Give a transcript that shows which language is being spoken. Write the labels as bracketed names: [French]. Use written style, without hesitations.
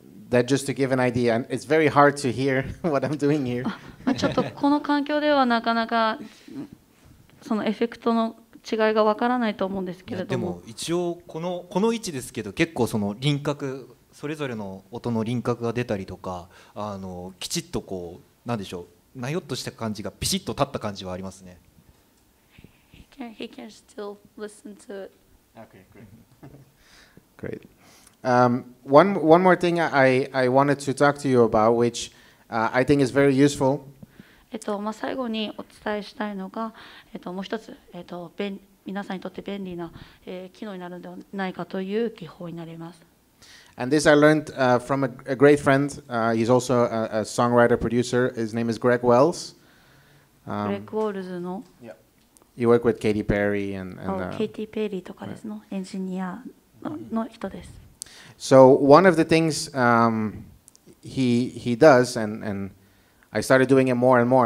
[English] that just to give an idea, and it's very hard to hear what I'm doing here. [Japanese] ちょっとこの環境ではなかなかそのエフェクトの違いがわからないと思うんですけれども。でも一応この位置ですけど、結構その輪郭、それぞれの音の輪郭が出たりとか、きちっとこう、なんでしょう、なよっとした感じがピシッと立った感じはありますね。 [English] He can still listen to it. Okay, great. Great. One more thing I wanted to talk to you about, which I think is very useful. [Japanese] まあ、最後にお伝えしたいのが、もう一つ、皆さんにとって便利な、機能になるのではないかという技法になります。 [English] And this I learned from a great friend. He's also a songwriter producer. His name is Greg Wells. [Japanese] Greg Wells の。 [English] Yeah. You work with Katy Perry and. [Japanese] Katy Perry とかですの、エンジニアの人です。 [English] So one of the things he does, and I started doing it more and more.